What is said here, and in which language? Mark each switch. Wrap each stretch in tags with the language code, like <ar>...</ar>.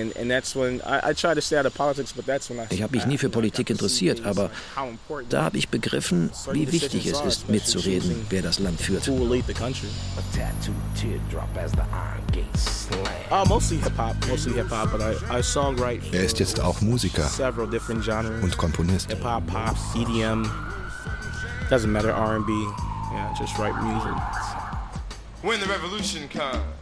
<en>And that's when I try to stay out of politics, but that's when I.</en> <de>Ich habe mich nie für Politik interessiert, aber da habe ich begriffen, wie wichtig es ist, mitzureden, wer das Land führt.</de> <en>Who will lead the country? A tattooed teardrop as the iron gates slam. Mostly hip hop, but I songwrite.</en> <de>Er ist jetzt auch Musiker.</de> <en>Several different genres.</en> <de>Und Komponist.</de> <en>Hip hop, pop, EDM. Doesn't matter, R&B. Yeah, just write music. When the revolution comes.</en>